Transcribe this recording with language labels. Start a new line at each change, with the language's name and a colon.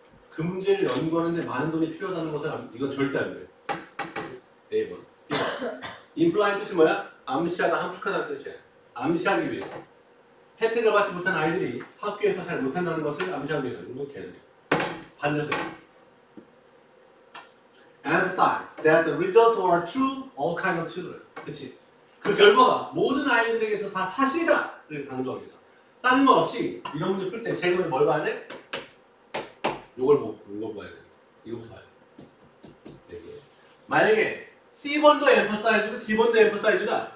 Korean: 그 문제를 연구하는데 많은 돈이 필요하다는 것은 이건 절대 안 돼. A번. Imply 뜻이 뭐야? 암시하다, 함축하다는 뜻이야. 암시하기 위해서. 혜택을 받지 못한 아이들이 학교에서 잘 못한다는 것을 암시하기 위해서 이렇게 해야 돼. 반대로.
English: Emphasize that the results are true all kinds of children.
Korean: 그치? 그 결과가 모든 아이들에게서 다 사실이다! 를 강조하기 위해서. 다른 거 없이 이런 문제 풀 때 제일 먼저 뭘 봐야 돼? 요걸 뭐, 이거 봐야 돼. 이거부터 봐야 돼. 네. 만약에 C번도 emphasize고 D번도 emphasize다?